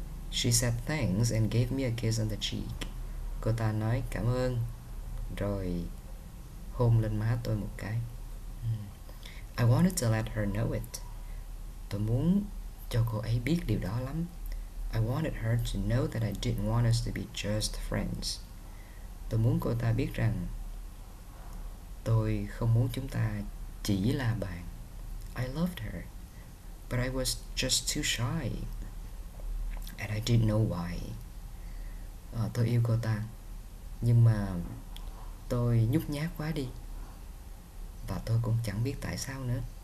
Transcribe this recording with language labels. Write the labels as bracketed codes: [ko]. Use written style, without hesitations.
[en] She said thanks and gave me a kiss on the cheek. [vi] Cô ta nói cảm ơn, rồi hôn lên má tôi một cái. [en] I wanted to let her know it. [vi] Tôi muốn cho cô ấy biết điều đó lắm. [en] I wanted her to know that I didn't want us to be just friends. [vi] Tôi muốn cô ta biết rằng tôi không muốn chúng ta chỉ là bạn. [en] I loved her, but I was just too shy, and I didn't know why. [vi] Tôi yêu cô ta, nhưng mà tôi nhút nhát quá đi, và tôi cũng chẳng biết tại sao nữa.